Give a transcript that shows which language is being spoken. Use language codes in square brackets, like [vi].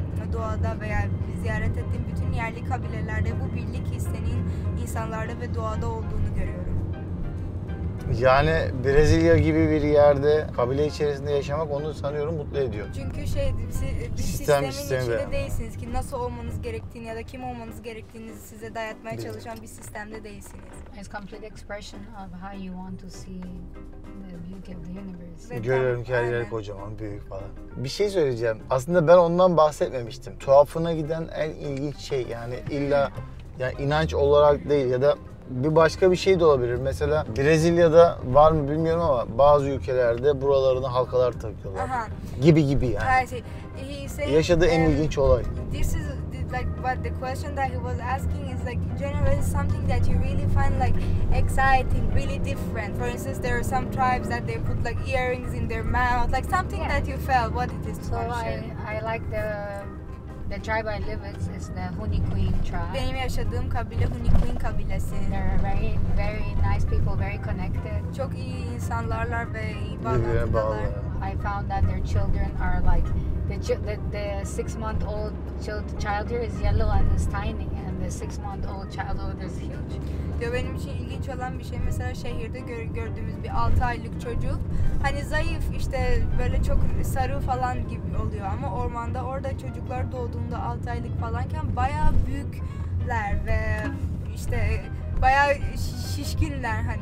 [tr] O doğada veya ziyaret ettiğim bütün yerli kabilelerde bu birlik hissinin insanlarda ve doğada olduğunu görüyorum. Yani Brezilya gibi bir yerde kabile içerisinde yaşamak onu sanıyorum mutlu ediyor. Çünkü sistemin içinde değilsiniz ki nasıl olmanız gerektiğini ya da kim olmanız gerektiğini size dayatmaya çalışan bir sistemde değilsiniz. [en] It's complete expression of how you want to see the beauty of the universe. [tr] Görüyorum ki her yer kocaman, büyük falan. Bir şey söyleyeceğim. Aslında ben ondan bahsetmemiştim. Tuhafına giden en ilginç şey yani illa yani inanç olarak değil ya da bir başka bir şey de olabilir. Mesela Brezilya'da var mı bilmiyorum ama bazı ülkelerde buralarına halkalar takıyorlar. Aha. Gibi yani. Şey, yaşadığı en ilginç olay. [en] This is like what the question that he was asking is like generally something that you really find like exciting, really different. For instance, there are some tribes that they put like earrings in their mouth, like something that you felt. What it is? So I like the tribe I live with is the Huniquin tribe. [tr] Benim yaşadığım kabile Huniquin kabilesi. [en] They're very very nice people, very connected. [tr] Çok iyi insanlarlar ve iyi bağlantılar. [en] I found that their children are like the 6 month old child here is yellow and is tiny, and the 6 month old child over there is huge. [tr] Diyor benim için ilginç olan bir şey mesela şehirde gördüğümüz bir 6 aylık çocuk hani zayıf işte böyle çok sarı falan gibi oluyor ama ormanda orada çocuklar doğduğunda 6 aylık falanken bayağı büyükler ve işte bayağı şişkinler hani.